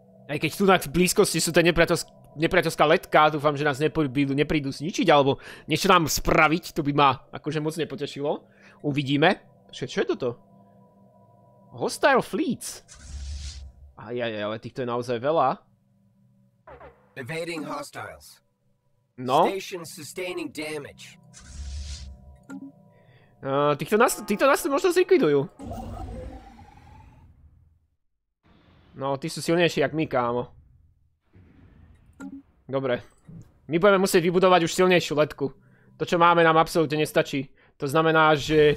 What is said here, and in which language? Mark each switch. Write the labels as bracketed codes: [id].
[sk] Aj keď tu na blízkosti sú tie nepriateľská letka, dúfam, že nás neprídu zničiť, alebo niečo nám spraviť, to by ma akože moc nepotešilo. Uvidíme. Čo je toto? [en] Hostile fleets. [sk] Ajajaj, ale týchto je naozaj veľa. [en] Evading hostiles. No. Station sustaining damage. [sk] Týchto nás možno zlikvidujú. No, ty sú silnejší, jak my, kámo. Dobre. My budeme musieť vybudovať už silnejšiu letku. To, čo máme, nám absolútne nestačí. To znamená, že...